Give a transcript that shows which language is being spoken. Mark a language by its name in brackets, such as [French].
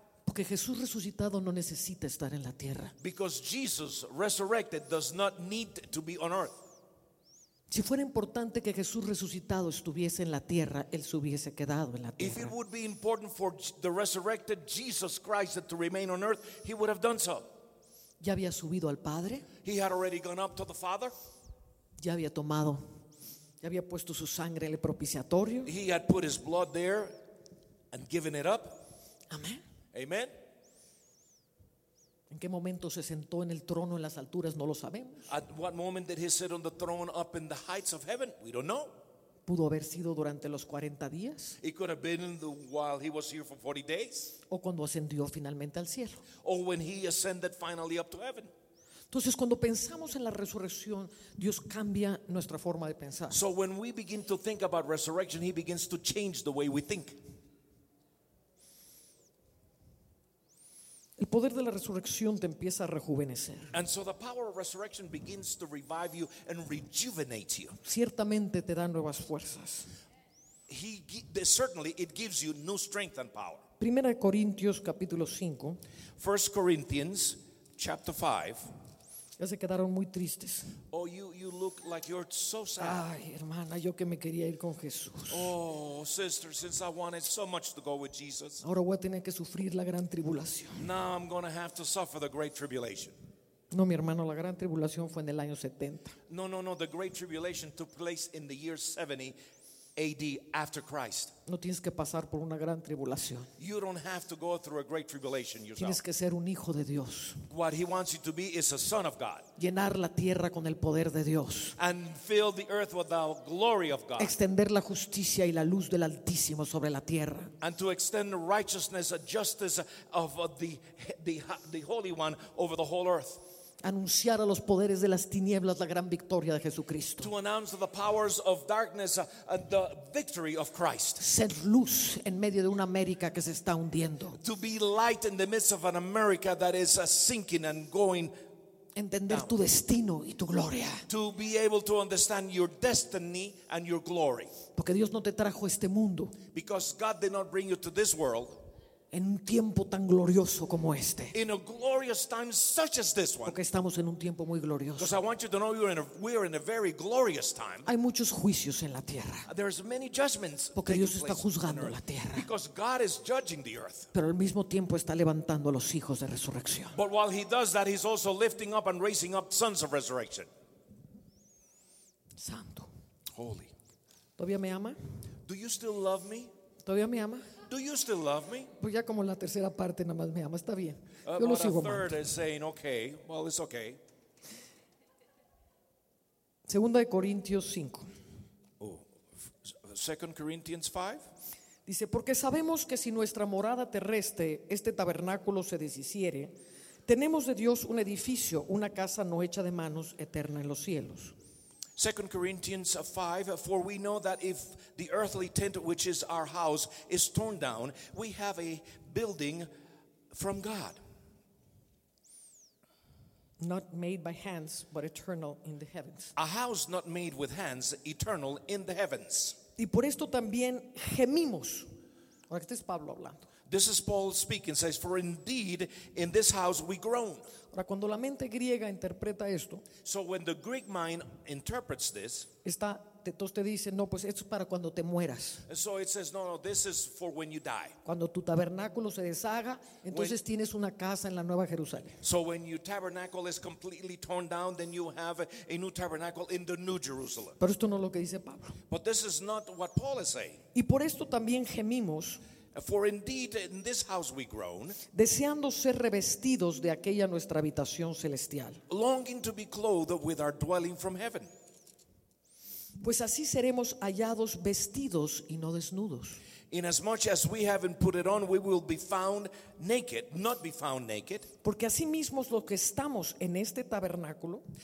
[Spanish] Porque Jesús resucitado no necesita estar en la tierra. [English] Because Jesus resurrected does not need to be on earth. [Spanish] Si fuera importante que Jesús resucitado estuviese en la tierra, él se hubiese quedado en la tierra. [English] If it would be important for the resurrected Jesus Christ to remain on earth, he would have done so. [Spanish] Ya había subido al Padre. [English] He had already gone up to the Father. [Spanish] Ya había tomado. Ya había puesto su sangre en el propiciatorio. [English] He had put his blood there and given it up. [Spanish] Amén. [English] Amen. [Spanish] ¿En qué momento se sentó en el trono en las alturas? No lo sabemos. [English] At what moment did he sit on the throne up in the heights of heaven? We don't know. [Spanish] Pudo haber sido durante los 40 días. [English] It could have been while he was here for 40 days. [Spanish] O cuando ascendió finalmente al cielo. [English] Or when he ascended finally up to heaven. [Spanish] Entonces, cuando pensamos en la resurrección, Dios cambia nuestra forma de pensar. [English] So when we begin to think about resurrection, he begins to change the way we think. [Spanish] El poder de la resurrección te empieza a rejuvenecer. [English] And so the power of resurrection begins to revive you and rejuvenate you. [Spanish] Ciertamente te da nuevas fuerzas. [English] Certainly it gives you new strength and power. [Spanish] Primera de Corintios capítulo 5. [English] 1 Corinthians chapter 5. [Spanish] Ya se quedaron muy tristes. [English] Oh, you look like you're so sad. [Spanish] Ay, hermana, yo que me quería ir con Jesús. [English] Oh, sister, since I wanted so much to go with Jesus. [Spanish] Ahora voy a tener que sufrir la gran tribulación. [English] Now I'm going to have to suffer the great tribulation. [Spanish] No, mi hermano, la gran tribulación fue en el año 70. [English] No, the great tribulation took place in the year 70 AD after Christ. [Spanish] No tienes que pasar por una gran tribulación. [English] You don't have to go through a great tribulation yourself. [Spanish] Tienes que ser un hijo de Dios. [English] What he wants you to be is a son of God. [Spanish] Llenar la tierra con el poder de Dios. [English] And fill the earth with the glory of God. [Spanish] Extender la justicia y la luz del Altísimo sobre la tierra. [English] And to extend righteousness and justice of the Holy One over the whole earth. [Spanish] Anunciar a los poderes de las tinieblas la gran victoria de Jesucristo. [English] To announce the powers of darkness the victory of Christ. [Spanish] Ser luz en medio de una América que se está hundiendo. [English] To be light in the midst of an America that is sinking and going [Spanish] entender tu destino y tu gloria. [English] To be able to understand your destiny and your glory. [Spanish] Porque Dios no te trajo este mundo. [English] Because God did not bring you to this world. [Spanish] En un tiempo tan glorioso como este. [English] In a glorious time such as this one. [Spanish] Porque estamos en un tiempo muy glorioso. [English] Because I want you to know we are in a very glorious time. [Spanish] Hay muchos juicios en la tierra. [English] There's many judgments. [Spanish] Porque Dios está juzgando la tierra. [English] Because God is judging the earth. [Spanish] Pero al mismo tiempo está levantando a los hijos de resurrección. [English] But while he does that, he's also lifting up and raising up sons of resurrection. [Spanish] Santo. [English] Holy. [Spanish] ¿Todavía me ama? [English] Do you still love me? [Spanish] ¿Todavía me ama? [English] Do you still love me? [Spanish] Pues ya como la tercera parte nada más me ama, está bien. Yo lo sigo amando. [English] Third is saying, okay, well, it's okay. [Spanish] Segunda de Corintios 5. [English] Oh, 2 Corinthians 5. [Spanish] Dice, porque sabemos que si nuestra morada terrestre, este tabernáculo, se deshiciere, tenemos de Dios un edificio, una casa no hecha de manos, eterna en los cielos. [English] 2 Corinthians 5, for we know that if the earthly tent, which is our house, is torn down, we have a building from God. Not made by hands, but eternal in the heavens. A house not made with hands, eternal in the heavens. [Spanish] Y por esto también gemimos. Ahora, este es Pablo hablando. [English] This is Paul speaking, says, for indeed in this house we groan. [Spanish] Ahora, cuando la mente griega interpreta esto, [English] so when the Greek mind interprets this, [Spanish] entonces te dice, no, pues esto es para cuando te mueras. [English] So it says, no, this is for when you die. [Spanish] Cuando tu tabernáculo se deshaga, entonces tienes una casa en la Nueva Jerusalén. [English] So when your tabernacle is completely torn down, then you have a new tabernacle in the New Jerusalem. [Spanish] Pero esto no es lo que dice Pablo. [English] But this is not what Paul is saying. [Spanish] Y por esto también gemimos. [English] For indeed in this house we groan, [Spanish] deseando ser revestidos de aquella nuestra habitación celestial, [English] longing to be clothed with our dwelling from heaven. [Spanish] Pues así seremos hallados vestidos y no desnudos. [English] Inasmuch as we haven't put it on, we will be found naked, not be found naked. [Spanish] Porque así mismo los que estamos en este tabernáculo,